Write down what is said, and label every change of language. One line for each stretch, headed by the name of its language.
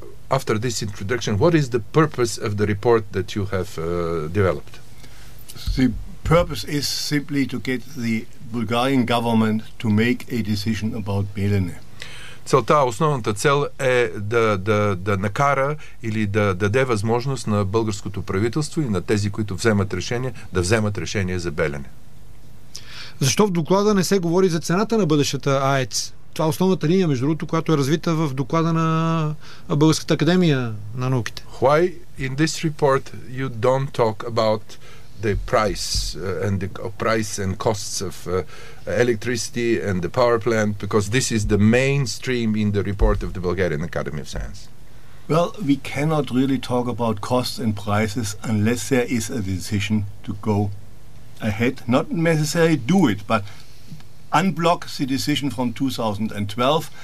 English: After this introduction, what is the purpose of the report that you have developed? The purpose is simply to get the Bulgarian government to make a decision about Belene.
Bulgarian: Целта, основната цел е да накара или да даде възможност на българското правителство и на тези, които вземат решение, да вземат решение за Белене. Защо в доклада не се говори за цената на бъдещата АЕЦ? Това е основната линия, между другото, която е развита в доклада на Българската академия на науките.
English: Why in this report you don't talk about the price and the price and costs of electricity and the power plant, because this is the mainstream in the report of the Bulgarian Academy of Science? Well, we cannot really talk about costs and prices unless there is a decision to go ahead, not necessarily do it, but unblock the decision from 2012.